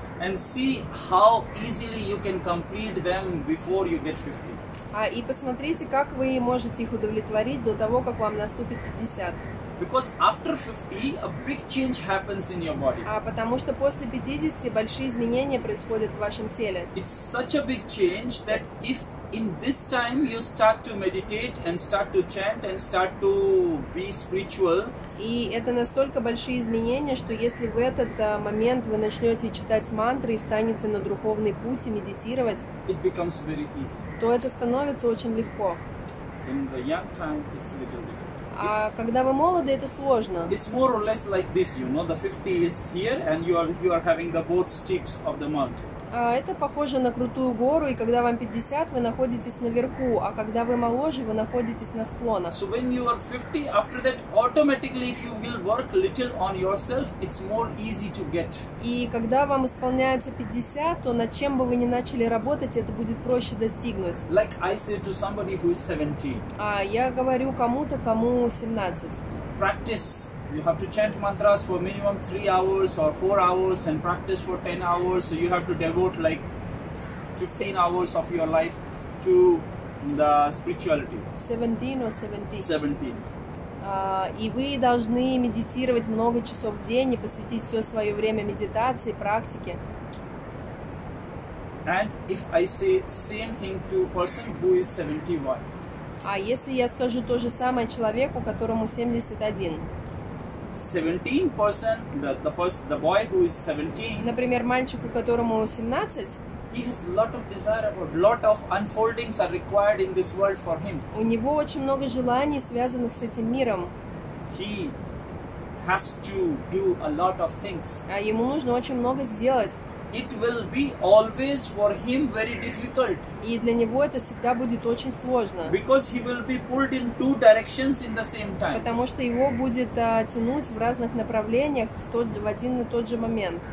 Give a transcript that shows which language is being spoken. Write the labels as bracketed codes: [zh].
[en] And see how easily you can complete them before you get 50. [ru] И посмотрите, как вы можете их удовлетворить до того, как вам наступит 50. [en] Because after 50, a big change happens in your body. [ru] Потому что после 50 большие изменения происходят в вашем теле. [en] It's such a big change that if in this time you start to meditate and start to chant and start to be spiritual. [ru] И это настолько большие изменения, что если в этот момент вы начнете читать мантры и встанете на духовный путь и медитировать, [en] it becomes very easy. [ru] То это становится очень легко. [en] In the young time, it's a little difficult. [ru] А когда вы молоды, это сложно. [en] It's more or less like this, you know, the 50 is here and you are having the both steeps of the mountain. [ru] Это похоже на крутую гору, и когда вам 50, вы находитесь наверху, а когда вы моложе, вы находитесь на склонах. [en] So when you are 50, after that, automatically, if you will work little on yourself, it's more easy to get. [ru] И когда вам исполняется 50, то над чем бы вы ни начали работать, это будет проще достигнуть. [en] Like I say to somebody who is 17. [ru] Я говорю кому-то, кому 17. [en] Practice. You have to chant mantras for minimum 3 hours or 4 hours and practice for 10 hours. So you have to devote like 15 hours of your life to the spirituality. 17 or 70? 17. [ru] И вы должны медитировать много часов в день и посвятить все свое время медитации, практике. [en] And if I say same thing to a person who is 71? [ru] А если я скажу то же самое человеку, которому 71? [en] 17% the boy who is 17. [ru] Например, мальчику, которому 17. [en] He has lot of desire, about lot of unfoldings are required in this world for him. [ru] У него очень много желаний, связанных с этим миром. [en] He has to do a lot of things. [ru] А ему нужно очень много сделать. [en] It will be always for him very difficult. [ru] И для него это всегда будет очень сложно. [en] Because he will be pulled in two directions in the same time. [ru] Потому что его будет тянуть в разных направлениях в один и тот же момент.